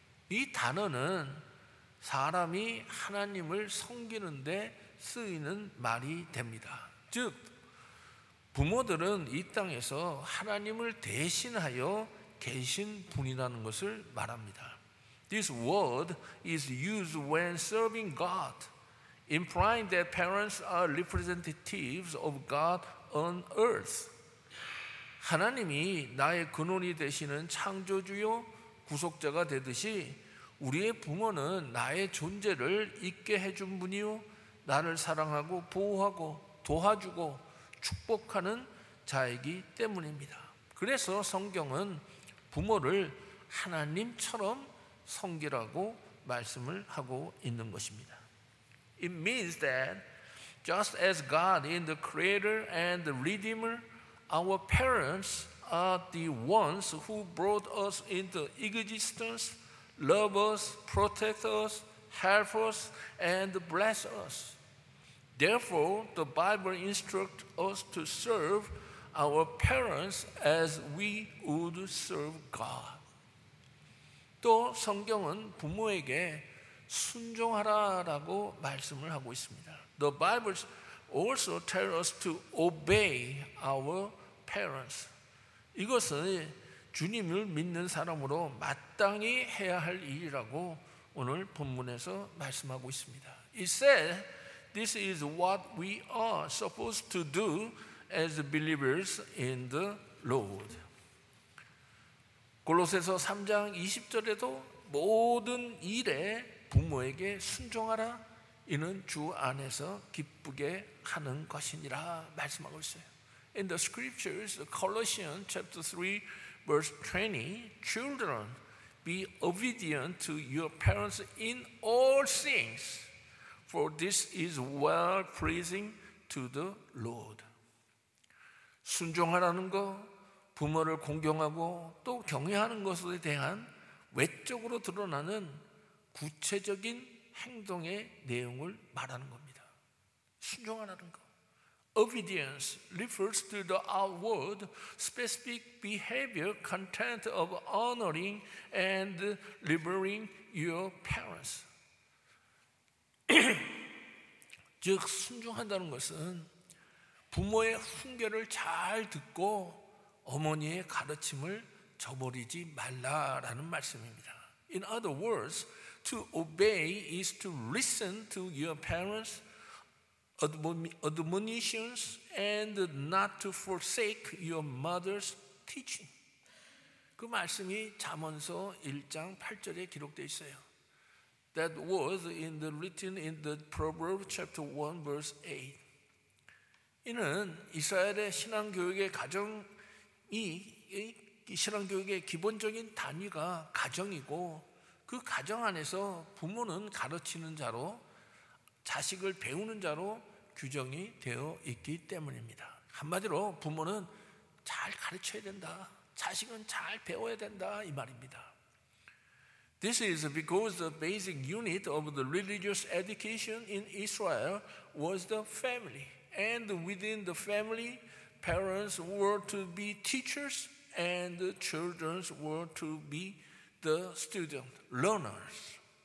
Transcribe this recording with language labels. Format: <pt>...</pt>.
<ko>이 단어는 사람이 하나님을 섬기는데 쓰이는 말이 됩니다. 즉 부모들은 이 땅에서 하나님을 대신하여 계신 분이라는 것을 말합니다.</ko> <en>This word is used when serving God, implying that parents are representatives of God on earth.</en> <ko>하나님이 나의 근원이 되시는 창조주요 구속자가 되듯이 우리의 부모는 나의 존재를 있게 해준 분이요 나를 사랑하고 보호하고 도와주고 축복하는 자이기 때문입니다. 그래서 성경은 부모를 하나님처럼 섬기라고 말씀을 하고 있는 것입니다.</ko> <en>It means that just as God is the creator and the redeemer, our parents are the ones who brought us into existence, love us, protect us, help us, and bless us. Therefore, the Bible instructs us to serve our parents as we would serve God.</en> <ko>또 성경은 부모에게 순종하라라고 말씀을 하고 있습니다.</ko> <en>The Bible also tells us to obey our parents.</en> <ko>이것은 주님을 믿는 사람으로 마땅히 해야 할 일이라고 오늘 본문에서 말씀하고 있습니다.</ko> <en>It says, This is what we are supposed to do as believers in the Lord.</en> <ko>골로새서 3장 20절에도 모든 일에 부모에게 순종하라 이는 주 안에서 기쁘게 하는 것이니라 말씀하고 있어요.</ko> <en>In the scriptures, Colossians chapter 3 verse 20, Children, be obedient to your parents in all things. For this is well-pleasing to the Lord.</en> <ko>순종하라는 것, 부모를 공경하고 또 경외하는 것에 대한 외적으로 드러나는 구체적인 행동의 내용을 말하는 겁니다. 순종하라는 것.</ko> <en>Obedience refers to the outward specific behavior content of honoring and revering your parents.</en> <ko>즉 순종한다는 것은 부모의 훈계를 잘 듣고 어머니의 가르침을 저버리지 말라라는 말씀입니다.</ko> <en>In other words, to obey is to listen to your parents' admonitions and not to forsake your mother's teaching.</en> <ko>그 말씀이 잠언서 1장 8절에 기록되어 있어요.</ko> <en>That was in the written in the Proverbs chapter 1 verse 8.</en> <ko>이는 이스라엘의 신앙 교육의 가정이 신앙 교육의 기본적인 단위가 가정이고 그 가정 안에서 부모는 가르치는 자로 자식을 배우는 자로 규정이 되어 있기 때문입니다. 한마디로 부모는 잘 가르쳐야 된다. 자식은 잘 배워야 된다 이 말입니다.</ko> <en>This is because the basic unit of the religious education in Israel was the family. And within the family, parents were to be teachers and the children were to be the student, learners.</en>